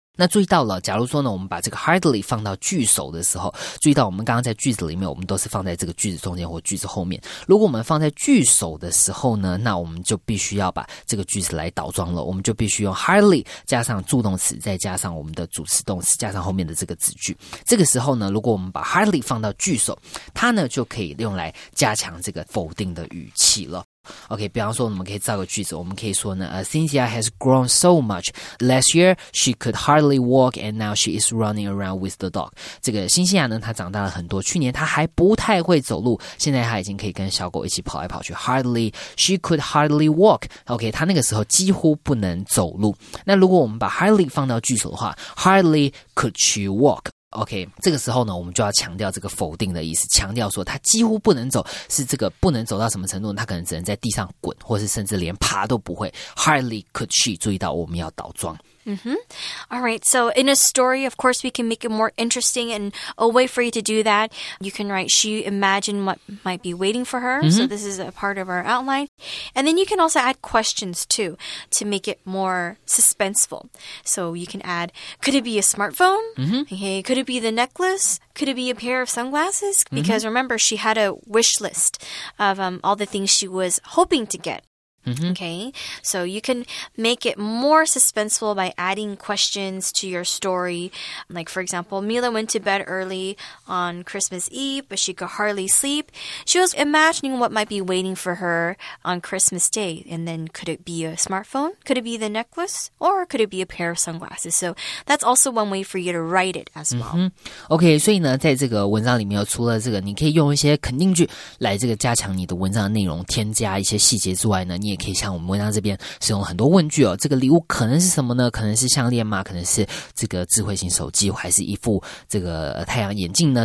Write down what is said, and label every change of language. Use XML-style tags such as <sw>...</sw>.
<zh>那注意到了，假如说呢我们把这个 hardly 放到句首的时候，注意到我们刚刚在句子里面我们都是放在这个句子中间或句子后面，如果我们放在句首的时候呢，那我们就必须要把这个句子来倒装了，我们就必须用 hardly 加上助动词，再加上我们的主词动词，加上后面的这个子句，这个时候呢如果我们把 hardly 放到句首，它呢就可以用来加强这个否定的语气了。 OK， 比方说我们可以造个句子，我们可以说呢</zh> <en>Cynthia has grown so much. Last year, she could hardly walk and now she is running around with the dog.</en> <zh>这个辛西亚呢她长大了很多，去年她还不太会走路，现在她已经可以跟小狗一起跑来跑去。</zh> <en>Hardly, she could hardly walk.</en> <zh>OK， 她那个时候几乎不能走路。那如果我们把 hardly 放到句首的话，</zh> <en>hardly could she walk。</en> <zh>OK， 这个时候呢我们就要强调这个否定的意思，强调说他几乎不能走，是这个不能走到什么程度，他可能只能在地上滚，或是甚至连爬都不会。</zh> <en>Hardly could she，</en> <zh>注意到我们要倒装。</zh> <en>Mm-hmm. All right. So in a story, of course, we can make it more interesting and a way for you to do that. You can write, she imagined what might be waiting for her. Mm-hmm. So this is a part of our outline. And then you can also add questions too, to make it more suspenseful. So you can add, could it be a smartphone? Mm-hmm. Okay. Could it be the necklace? Could it be a pair of sunglasses? Because remember, she had a wish list of all the things she was hoping to get. Mm-hmm. Okay, so you can make it more suspenseful by adding questions to your story. Like, for example, Mila went to bed early on Christmas Eve, but she could hardly sleep. She was imagining what might be waiting for her on Christmas Day. And then could it be a smartphone? Could it be the necklace? Or could it be a pair of sunglasses? So that's also one way for you to write it as well. Mm-hmm.</en> <zh>Okay, 所以呢，在这个文章里面，除了这个，你可以用一些肯定句来这个加强你的文章的内容，添加一些细节之外呢，你也可以像我们文章这边使用很多问句哦，这个礼物可能是什么呢？可能是项链吗？可能是这个智慧型手机，还是一副这个太阳眼镜呢？</zh>